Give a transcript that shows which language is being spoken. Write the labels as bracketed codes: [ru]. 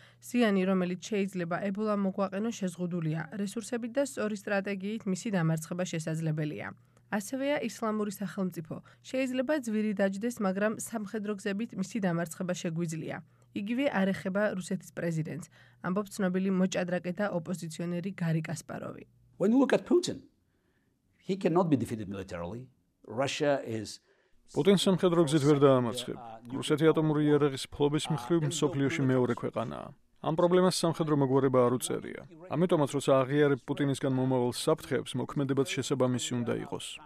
[ka] სიანი, რომელიც შეიძლება ებოლა მოგვაყენო, შეზღუდულია. რესურსებით და სწორი სტრატეგიით მისი დამარცხება შესაძლებელია. ასევეა ისლამური სახელმწიფო. შეიძლება ძვირი დაჯდეს, მაგრამ სამხედრო გზებით მისი დამარცხება შეგვიძლია. იგივე არ ეხება რუსეთის პრეზიდენტს, ამბობს ცნობილი მოჭადრაკე და ოპოზიციონერი გარი კასპაროვი. [en] When you look at Putin, he cannot be defeated militarily. Russia is [ka] პუტინს სამხედრო გზით ვერ დაამარცხებ. რუსეთი ატომური იარაღის ფლობის მხრივ მსოფლიოში მეორე ქვეყანაა. ამ პრობლემას სამხედრო მოგვარება არ უწერია. ამიტომაც, როცა აღიარებ პუტინისგან მომავალ საფრთხეებს, მოქმედებად შესაბამისი უნდა იყოს.